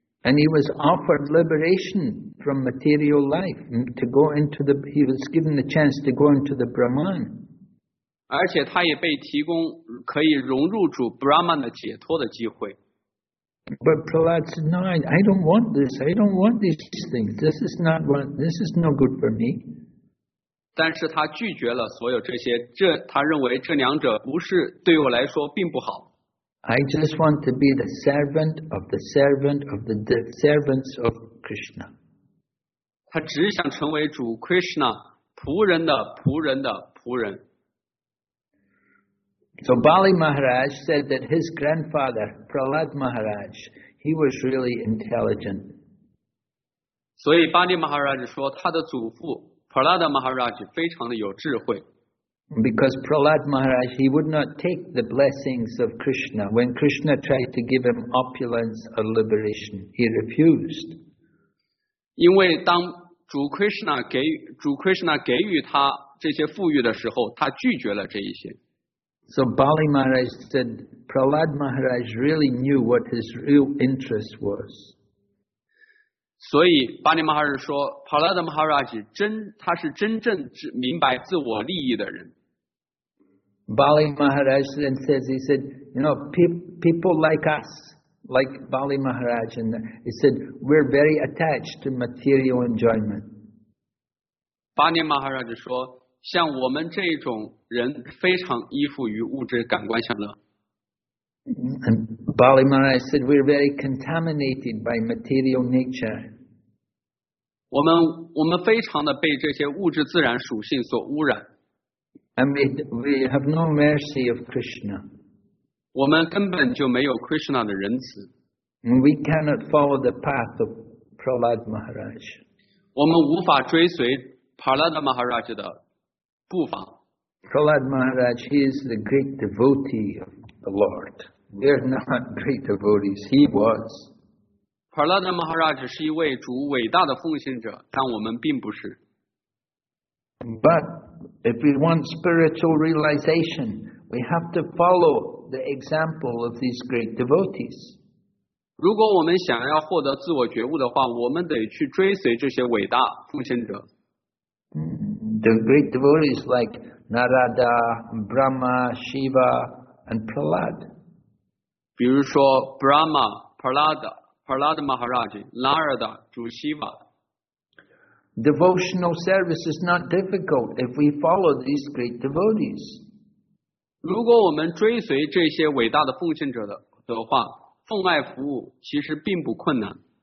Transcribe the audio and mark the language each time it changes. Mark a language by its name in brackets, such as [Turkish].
[English] And he was offered liberation from material life to go into the. He was given the chance to go into the Brahman. [Chinese] 而且他也被提供可以融入主 Brahman 的解脱的机会。 [English] But Prahlad said, "No, I don't want this. I don't want these things. This is not what. This is no good for me." [Chinese] 但是他拒绝了所有这些。这他认为这两者不是对我来说并不好。 [English] I just want to be the servant of the servant of the servants of Krishna. [Chinese] 他只想成为主 Krishna 仆人的仆人的仆人。 [English] So Bali Maharaj said that his grandfather Prahlad Maharaj he was really intelligent. [Chinese] 所以巴利马哈拉吉说他的祖父 Prahlad Maharaj 非常的有智慧。 [English] Because Prahlad Maharaj, he would not take the blessings of Krishna. When Krishna tried to give him opulence or liberation, he refused. [Chinese] 因为当主 Krishna 给予他这些富裕的时候，他拒绝了这一些。 [English] So Bali Maharaj said, Prahlad Maharaj really knew what his real interest was. [Chinese] 所以巴利马哈拉吉说，帕拉德马哈拉吉他是真正明白自我利益的人。 [English] Bali Maharaj then says, he said, you know, people like us, like Bali Maharaj, and he said, we're very attached to material enjoyment. [Chinese] Bali Maharaj 说，像我们这种人非常依附于物质感官享乐。 [English] And Bali Maharaj said, we're very contaminated by material nature. [Chinese] 我们非常的被这些物质自然属性所污染。 [English] And we have no mercy of Krishna. [Chinese] 我们根本就没有 Krishna 的仁慈。 [English] We cannot follow the path of Prahlad Maharaj. [Chinese] 我们无法追随 Prahlad Maharaj 的步伐。 [English] Prahlad Maharaj, he is the great devotee of the Lord. We are not great devotees. He was. [Chinese] Prahlad Maharaj 是一位主伟大的奉献者，但我们并不是。 [English] But if we want spiritual realization, we have to follow the example of these great devotees. [Chinese] 如果我们想要获得自我觉悟的话，我们得去追随这些伟大奉献者。 [English] The great devotees like Narada, Brahma, Shiva, and Prahlad. [Chinese] 比如说 Brahma, Prahlad Maharaj, Narada, 主 Shiva. [English] Devotional service is not difficult if we follow these great devotees. [Chinese] 如果我们追随这些伟大的奉献者的话，奉爱服务其实并不困难。